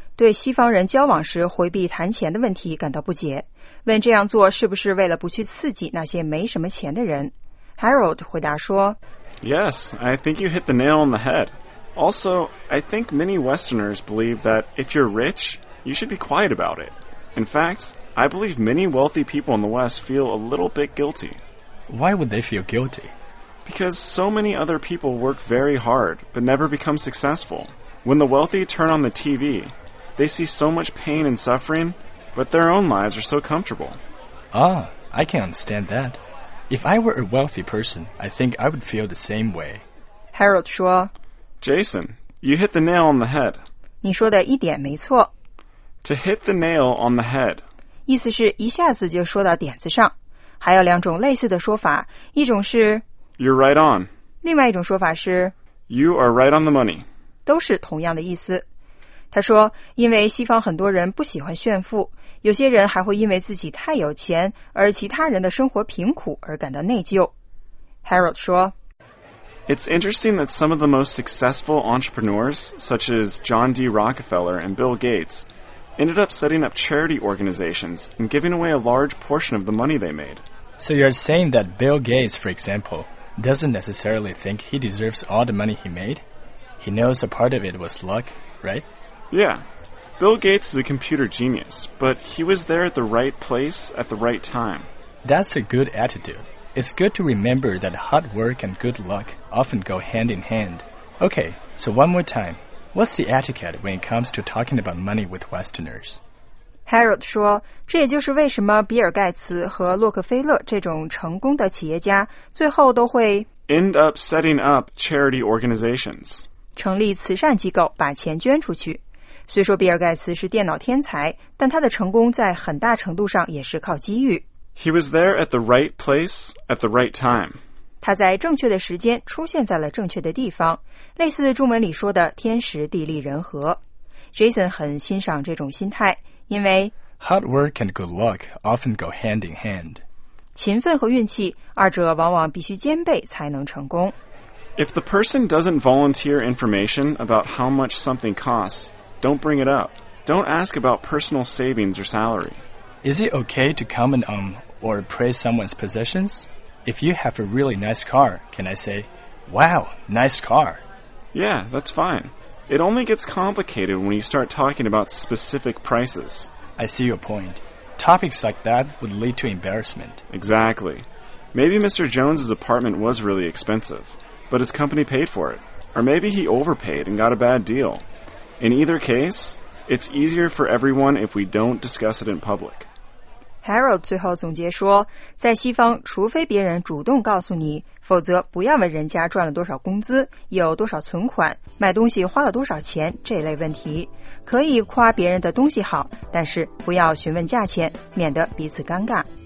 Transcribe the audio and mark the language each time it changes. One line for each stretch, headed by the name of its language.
Chinese: 对西方人交往时回避谈钱的问题感到不解，问这样做是不是为了不去刺激那些没什么钱的人。 Harold 回答说
English: Yes, I think you hit the nail on the head. Also, I think many Westerners believe that if you're rich, you should be quiet about it. In fact, I believe many wealthy people in the West feel a little bit guilty. Why would they feel guilty? Because so many other people work very hard but never become successful. When the wealthy turn on the TVThey see so much pain and suffering, but their own lives are so comfortable. Ah, I can understand that. If I were a wealthy person, I think I would feel the same way.
Chinese: Harold 说
English: Jason, you hit the nail on the head.
Chinese: 你说的一点没错。
English: To hit the nail on the head.
Chinese: 意思是一下子就说到点子上。还有两种类似的说法，一种是
English: You're right on.
Chinese: 另外一种说法是
English: You are right on the money.
Chinese: 都是同样的意思。他说因为西方很多人不喜欢炫富，有些人还会因为自己太有钱而其他人的生活贫苦而感到内疚。 Harold 说
English: It's interesting that some of the most successful entrepreneurs such as John D. Rockefeller and Bill Gates ended up setting up charity organizations and giving away a large portion of the money they made. So you're saying that Bill Gates, for example, doesn't necessarily think he deserves all the money he made? He knows a part of it was luck, right? Yeah, Bill Gates is a computer genius, but he was there at the right place at the right time. That's a good attitude. It's good to remember that hard work and good luck often go hand in hand. Okay, so one more time. What's the etiquette when it comes to talking about money with Westerners?
Chinese: Harold 说，这也就是为什么比尔盖茨和洛克菲勒这种成功的企业家最后都会
English: end up setting up charity organizations.
Chinese: 成立慈善机构，把钱捐出去。虽说比尔盖茨是电脑天才，但他的成功在很大程度上也是靠机遇。
English: He was there at the right place at the right time.
Chinese: 他在正确的时间出现在了正确的地方，类似中文里说的天时地利人和。Jason 很欣赏这种心态，因为
English: Hard work and good luck often go hand in hand.
Chinese: 勤奋和运气，二者往往必须兼备才能成功。
English: If the person doesn't volunteer information about how much something costs, don't bring it up. Don't ask about personal savings or salary. Is it okay to comment on or praise someone's possessions? If you have a really nice car, can I say, wow, nice car? Yeah, that's fine. It only gets complicated when you start talking about specific prices. I see your point. Topics like that would lead to embarrassment. Exactly. Maybe Mr. Jones's apartment was really expensive. But his company paid for it. Or maybe he overpaid and got a bad deal. In either case, it's easier for everyone if we don't discuss it in public.
Chinese: Harold 最后总结说，在西方，除非别人主动告诉你，否则不要问人家赚了多少工资，有多少存款，买东西花了多少钱这类问题。可以夸别人的东西好，但是不要询问价钱，免得彼此尴尬。